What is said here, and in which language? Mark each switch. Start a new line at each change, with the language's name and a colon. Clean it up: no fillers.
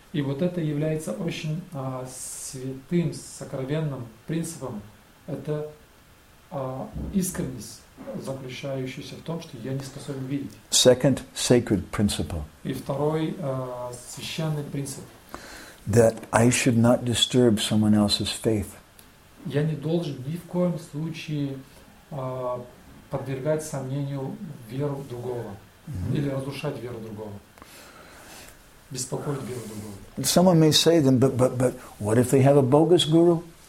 Russian: И вот это является очень святым, сокровенным принципом. Это искренность. Заключающийся в том, что я не способен видеть.
English: Second sacred principle.
Russian: И второй священный принцип.
English: That I should not disturb someone else's faith.
Russian: Я не должен ни в коем случае подвергать сомнению веру другого. Mm-hmm. Или разрушать веру другого. Беспокоить веру другого.
English: Someone may say them, but what if they have a bogus guru?